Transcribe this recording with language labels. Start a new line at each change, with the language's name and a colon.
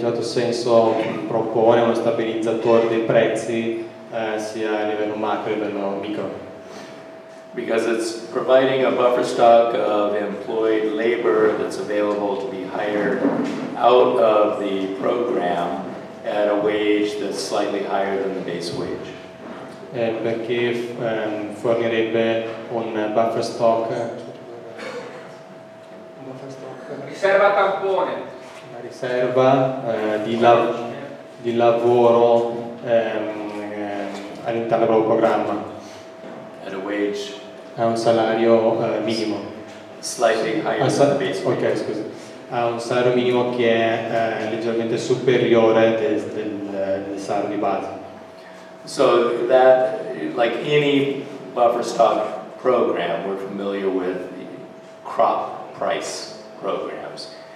Italian: In un certo senso propone uno stabilizzatore dei prezzi sia a livello macro che a livello micro.
English: Because it's providing a buffer stock of employed labor that's available to be hired out of the program at a wage that's slightly higher than the base wage.
Italian: Perché fornirebbe un buffer stock. Riserva tampone. Una riserva di lavoro all'interno del proprio programma.
English: At a wage.
Italian: Ha un salario minimo.
English: Slightly higher than the base wage.
Italian: Ok, scusi. Ha un salario minimo che è leggermente superiore del salario di base.
English: So that, like any buffer stock program, we're familiar with the crop price programs.